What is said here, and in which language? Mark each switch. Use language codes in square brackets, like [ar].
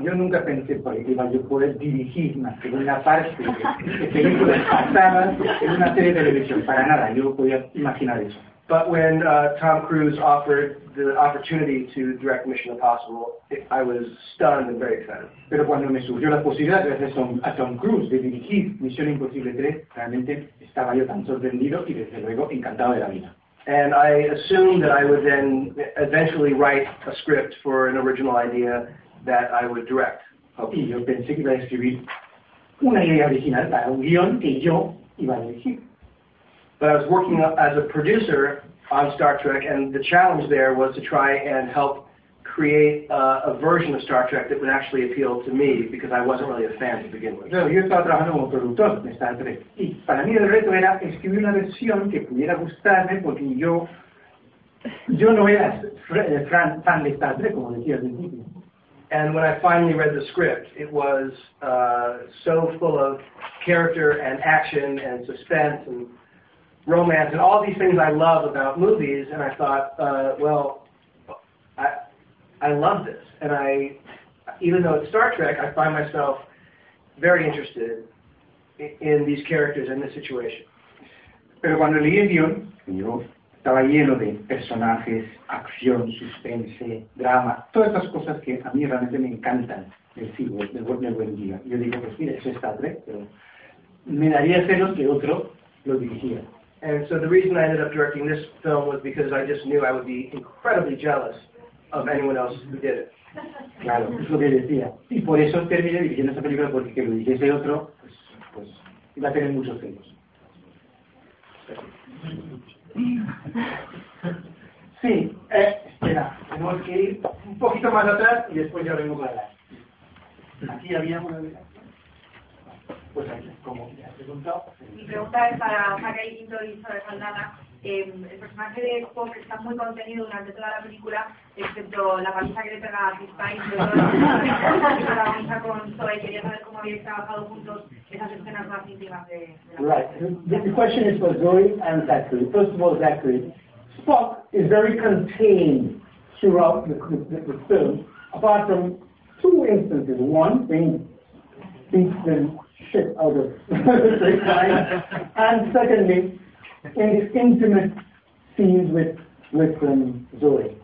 [es] Yo nunca pensé por ahí, yo podía dirigir una segunda parte de una serie de televisión, para nada, yo podía imaginar eso. [en] But when Tom Cruise offered the opportunity to direct Mission Impossible, I was stunned and very excited. [es] Pero cuando me surgió la posibilidad de hacer a Tom Cruise de dirigir Misión Imposible 3, realmente estaba yo tan sorprendido y desde luego encantado de la vida. [en] And I assumed that I would then eventually write a script for an original idea that I would direct. [es] Y yo pensé que iba a escribir una idea original para un guion que yo iba a dirigir. [en] But I was working as a producer on Star Trek, and the challenge there was to try and help create a version of Star Trek that would actually appeal to me, because I wasn't really a fan to begin with. [es] Yo estaba trabajando como productor de Star Trek, y para mí el reto era escribir una versión que pudiera gustarme, porque yo no era fan de Star Trek, como decía al principio. [en] And when I finally read the script, it was so full of character and action and suspense and romance and all these things I love about movies, and I thought, I love this, and I, even though it's Star Trek, I find myself very interested in these characters and this situation. [es] Pero cuando leí el guión, yo estaba lleno de personajes, acción, suspense, drama, todas esas cosas que a mí realmente me encantan del cine, del buen guión. Yo digo, pues mira, eso es Star Trek, pero me daría celos que otro lo dirigiera. [en] And so the reason I ended up directing this film was because I just knew I would be incredibly jealous of anyone else who did it. [es] Claro, es lo que decía. Y por eso terminé dirigiendo esta película, porque que lo dijese otro, pues iba a tener muchos celos. Sí, espera, tenemos que ir un poquito más atrás y después ya vengo para atrás. Aquí había una de las... Pues ahí, como ya has preguntado. Mi pregunta es para el quinto listo de Saldana. El personaje de Spock está muy contenido durante toda la película, excepto la paliza que le pega a Chris Pine, con Zoe. Quería saber cómo habéis trabajado juntos esas escenas más íntimas de la película. [en] Right. The question is for Zoe and Zachary. First of all, Zachary, Spock is very contained throughout the film, apart from two instances. One, being beaten shit out of Chris Pine, and secondly, in these intimate scenes with Zoe.